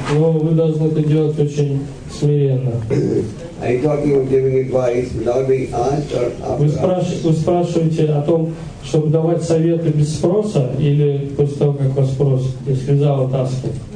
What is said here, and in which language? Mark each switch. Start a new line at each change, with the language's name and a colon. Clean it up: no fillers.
Russian: Но вы должны это делать очень смиренно.
English: Are you talking about giving advice without being asked or after?
Russian: Вы спрашиваете о том, чтобы давать советы без спроса или после того, как вас спросят, если зал таскает?